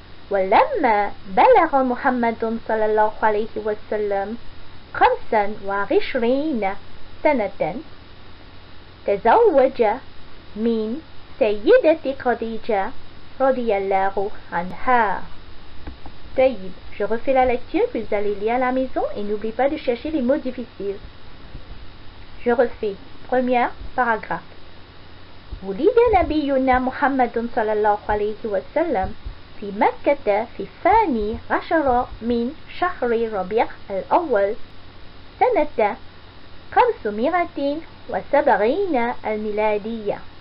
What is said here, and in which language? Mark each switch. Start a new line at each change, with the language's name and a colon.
Arabic: ولما بلغ محمد صلى الله عليه وسلم 25 سنة تزوج من سيدة خديجة رضي الله عنها.
French: طيب, je refais la lecture, vous allez lire à la maison et n'oubliez pas de chercher les mots difficiles. Je refais. Premier paragraphe.
Arabic: ولد نبينا محمد صلى الله عليه وسلم في مكة في 12 من شهر ربيع الأول سنة 570 الميلادية.